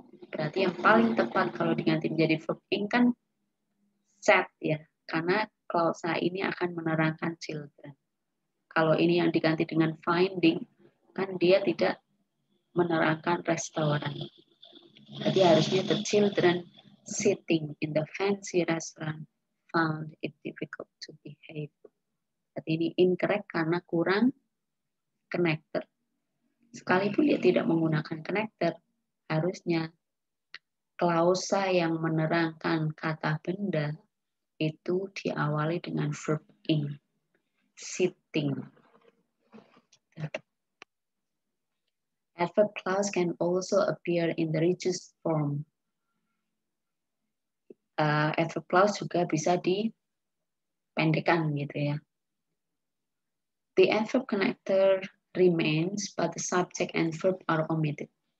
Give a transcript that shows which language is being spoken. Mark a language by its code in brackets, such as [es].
[id] Berarti yang paling tepat kalau diganti menjadi verb ing kan set ya, karena klausa ini akan menerangkan children. Kalau ini yang diganti dengan finding, kan dia tidak menerangkan restoran. Jadi harusnya [en] the children sitting in the fancy restaurant found it difficult to behave. [id] Jadi ini incorrect karena kurang connector. Sekalipun dia tidak menggunakan connector, harusnya klausa yang menerangkan kata benda itu diawali dengan verb ing, sitting. [en] Adverb clause can also appear in the reduced form. [id] Adverb clause juga bisa dipendekkan gitu ya. [en] The adverb connector remains, but the subject and verb are omitted.